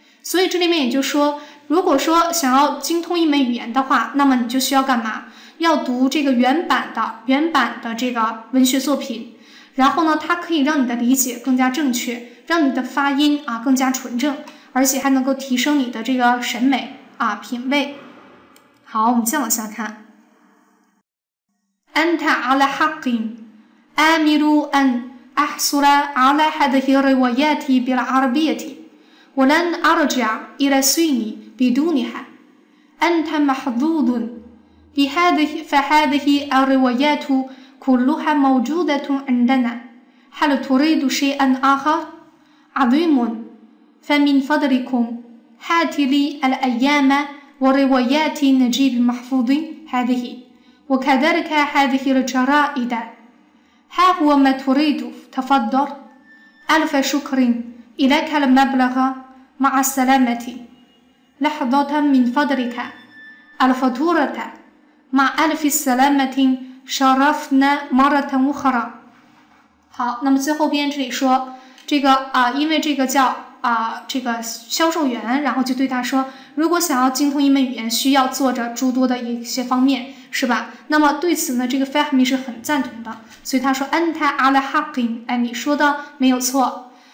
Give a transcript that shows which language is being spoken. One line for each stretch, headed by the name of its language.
Chinese: 所以这里面也就说，如果说想要精通一门语言的话，那么你就需要干嘛？要读这个原版的这个文学作品，然后呢，它可以让你的理解更加正确，让你的发音啊更加纯正，而且还能够提升你的这个审美啊品味。好，我们再往下看。
Arabic: أنت على حق آمل أن أحصل على هذه الروايات بالعربية ولن أرجع إلى سيني بدونها أنت محظوظ بهذه فهذه الروايات كلها موجودة عندنا هل تريد شيئا آخر؟ عظيم فمن فضلكم هات لي الأيام وروايات نجيب محفوظ هذهوكذلك هذه الجرائد ها هو ما تريد تفضل ألف شكر إليك المبلغ مع السلامة لحظة من فضلك الفاتورة مع ألف السلامة شرفنا مرة أخرى
Chinese: 好那么最后边这里说这个啊，因为这个叫啊，这个销售员然后就对他说如果想要精通一门语言需要做着诸多的一些方面是吧？那么对此呢，这个 Fahmi 是很赞同的，所以他说
Arabic: Anta ala haqin，
Chinese: 哎，你说的没有错。